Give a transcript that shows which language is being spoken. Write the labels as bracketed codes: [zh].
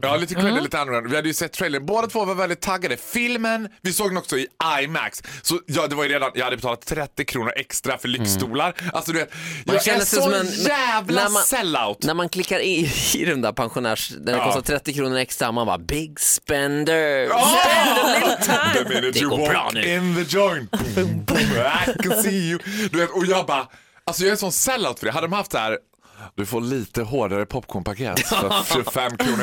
[sv] Ja, lite kräddiga, lite annorlunda. Vi hade ju sett trailern. Båda två var väldigt taggade. Filmen, vi såg den också i IMAX. Så ja, det var ju redan, jag hade betalat 30 kronor extra för lyxstolar. Alltså du vet, jag är så som en... jävla... När man klickar i den där pensionärs, den ja. Kostar 30 kronor extra, man bara [en] big spender. The minute you walk in the joint, boom, boom, I can see you. [sv] Du vet, och jag bara, alltså jag är sån sellout för det. Hade de haft det här, du får lite hårdare popcornpaket för 25 kronor.